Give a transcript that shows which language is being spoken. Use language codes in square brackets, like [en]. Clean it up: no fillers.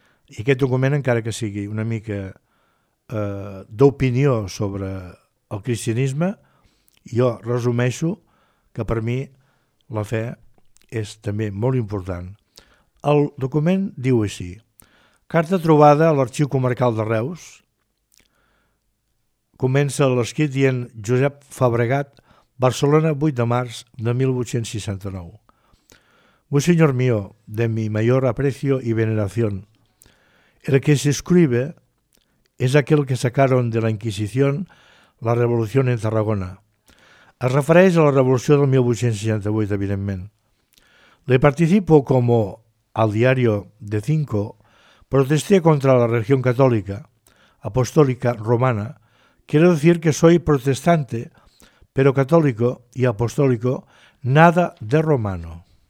[ca] I aquest document, encara que sigui una mica d'opinió sobre el cristianisme, jo resumeixo que per mi la fe és també molt important. El document diu així: carta trobada a l'Arxiu Comarcal de Reus. Comença l'escrit dient: Josep Fabregat, Barcelona, 8 de març de 1869. [es] Muy señor mío, de mi mayor aprecio y veneración, el que se escribe es aquel que sacaron de la Inquisición la revolución en Tarragona. [ca] Es refereix a la revolució del 1868, evidentment. [es] Le participo como al diario de Cinco, protesté contra la religión católica, apostólica, romana. Quiero decir que soy protestante, pero católico y apostólico, nada de romano.